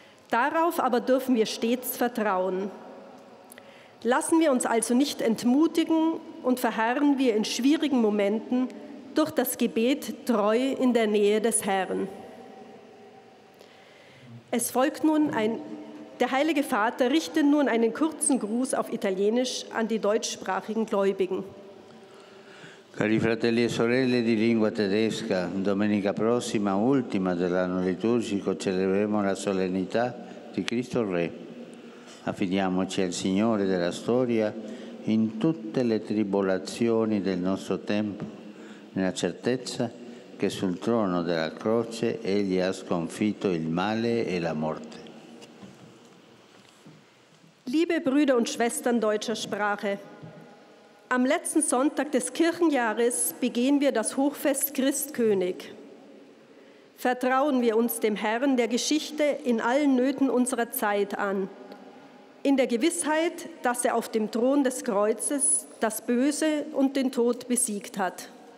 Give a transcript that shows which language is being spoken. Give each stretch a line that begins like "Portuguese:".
German: Darauf aber dürfen wir stets vertrauen. Lassen wir uns also nicht entmutigen und verharren wir in schwierigen Momenten durch das Gebet treu in der Nähe des Herrn. Es folgt nun der Heilige Vater richtet nun einen kurzen Gruß auf Italienisch an die deutschsprachigen Gläubigen.
Italian: Cari fratelli e sorelle di lingua tedesca, domenica prossima, ultima dell'anno liturgico, celebreremo la solennità di Cristo Re. Affidiamoci al Signore della storia in tutte le tribolazioni del nostro tempo, nella certezza che sul trono della croce Egli ha sconfitto il male e la morte.
German: Liebe Brüder und Schwestern deutscher Sprache, am letzten Sonntag des Kirchenjahres begehen wir das Hochfest Christkönig. Vertrauen wir uns dem Herrn der Geschichte in allen Nöten unserer Zeit an, in der Gewissheit, dass er auf dem Thron des Kreuzes das Böse und den Tod besiegt hat.